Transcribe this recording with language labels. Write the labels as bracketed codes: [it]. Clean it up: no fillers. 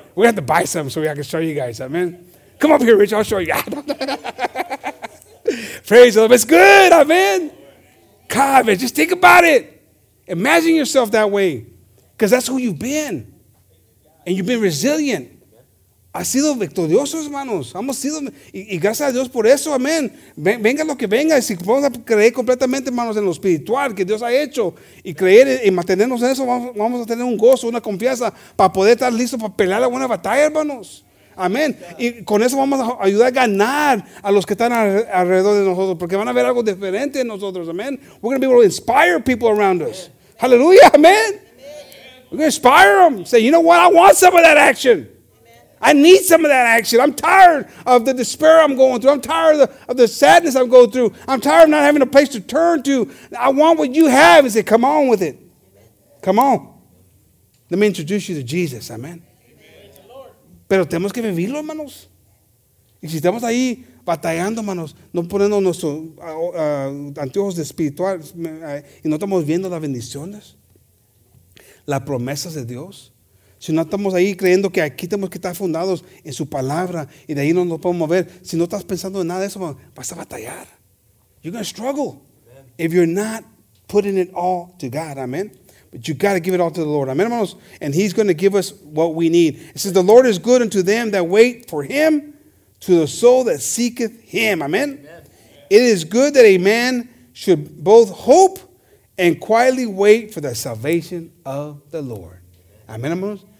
[en] We have to buy some so I can show you guys. Amen. Come up here, Rich. I'll show you. Praise the Lord. It's good. Amen. God, man, just think about it. Imagine yourself that way, because that's who you've been, and you've been resilient. [es] Ha sido victorioso, hermanos. Hemos sido, y gracias a Dios por eso, amén. Venga lo que venga, si podemos creer completamente, hermanos, en lo espiritual que Dios ha hecho, y creer y mantenernos en eso, vamos a tener un gozo, una confianza, para poder estar listos para pelear la buena batalla, hermanos. Amén. Y con eso vamos a ayudar a ganar a los que están alrededor de nosotros, porque van a ver algo diferente en nosotros. Amén. [en] We're going to be able to inspire people around us. Amen. Hallelujah. Amen. Amen. We're going to inspire them. Say, you know what? I want some of that action. Amen. I need some of that action. I'm tired of the despair I'm going through. I'm tired of the sadness I'm going through. I'm tired of not having a place to turn to. I want what you have. And say, come on with it. Amen. Come on. Let me introduce you to Jesus. Amen. [es] Pero tenemos que vivirlo, hermanos. Y si estamos ahí batallando, hermanos, no poniendo nuestros anteojos espirituales y no estamos viendo las bendiciones, las promesas de Dios, si no estamos ahí creyendo que aquí tenemos que estar fundados en su palabra y de ahí no nos podemos mover, si no estás pensando en nada de eso, hermanos, vas a batallar. [en] You're going to struggle. if you're not putting it all to God, amen? But you got to give it all to the Lord, amen, hermanos? And he's going to give us what we need. It says, the Lord is good unto them that wait for him, to the soul that seeketh him, amen? Amen. It is good that a man should both hope and quietly wait for the salvation of the Lord. Amen, hermanos?